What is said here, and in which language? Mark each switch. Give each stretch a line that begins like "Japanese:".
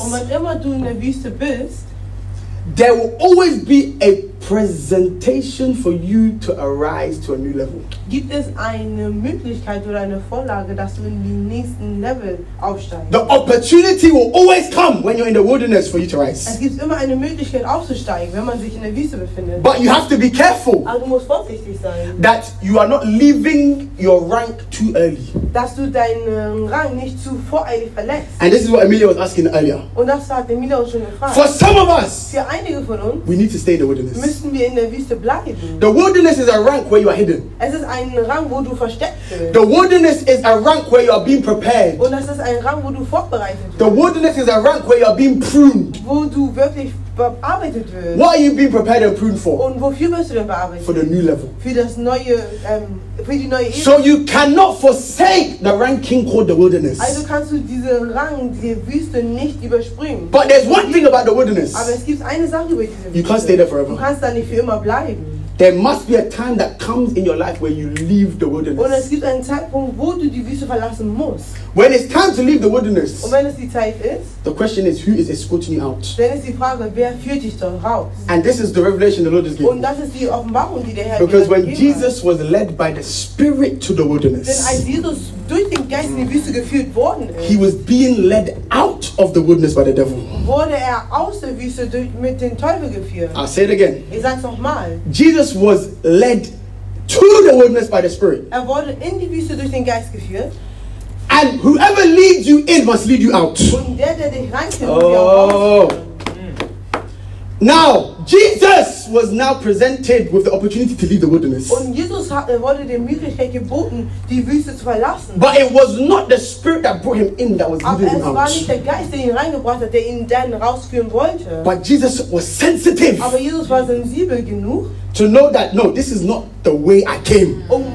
German: und wann immer du in der Wüste bist,
English: there will always be a presentation for you to arise to a new level.
German: Gibt es eine Möglichkeit oder eine Vorlage, dass du in die nächsten Level aufsteigst?
English: The opportunity will always come when you're in the wilderness for you to rise.
German: Es gibt immer eine Möglichkeit aufzusteigen, wenn man sich in der Wüste befindet.
English: But you have to be careful.
German: Aber du musst vorsichtig sein.
English: That you are not leaving your rank too early.
German: Dass du deinen Rang nicht zu voreilig verlässt.
English: And this is what Emilia was asking earlier.
German: Und das hat Emilia auch schon gefragt.
English: For some of us.
German: Für einige von uns.
English: We need to stay in the wilderness.
German: Müssen wir in der Wüste bleiben.
English: The wilderness is a rank where you are hidden.
German: Es ist ein Rang, wo du versteckt bist.
English: The wilderness is a rank where you are being prepared.
German: Und es ist ein Rang, wo du vorbereitet bist.
English: The wilderness is a rank where you are being pruned.
German: Wo du wirklich bearbeitet wirst.
English: What are you being prepared and pruned for?
German: Und wofür wirst du denn bearbeitet?
English: For the new level.
German: Für das neue, für die neue Ebene.
English: So you cannot forsake the ranking called the wilderness.
German: Also kannst du diesen Rang, die Wüste nicht überspringen.
English: But there's one thing about the wilderness.
German: Aber es gibt eine Sache über diese Wüste.
English: You can't stay there forever.
German: Du kannst da nicht für immer bleiben.
English: There must be a time that comes in your life where you leave the wilderness.
German: Und es gibt einen Zeitpunkt, wo du die Wüste verlassen musst.
English: When it's time to leave the wilderness.
German: Und wenn es die Zeit ist.
English: The question is, who is escorting you out?
German: Dann ist die Frage, wer führt dich dort raus?
English: And this is the revelation the Lord has given.
German: Und das ist die Offenbarung, die der Herr.
English: Because when Jesus was led by the Spirit to the wilderness.
German: Denn als Jesus durch den Geist in die Wüste geführt worden ist.
English: He was being led out of the wilderness by the devil.
German: Wurde er aus der Wüste mit dem Teufel geführt?
English: I'll say it again.
German: Ich sag's nochmal.
English: Jesus was led to the wilderness by the Spirit.
German: Er wurde in die Wüste durch den Geist geführt.
English: And whoever leads you in must lead you out.
German: Und der dich reinführt, wird dir auch rausführen.
English: Now, Jesus was now presented with the opportunity to leave the wilderness.
German: Und Jesus wurde die Möglichkeit geboten, die Wüste zu verlassen.
English: But it was not the Spirit that brought him in that was leading him out.
German: Aber es war nicht der Geist, der ihn reingebracht hat, der ihn dann rausführen wollte.
English: But Jesus was sensitive.
German: Aber Jesus war sensibel genug.
English: To know that, no, this is not the way I came.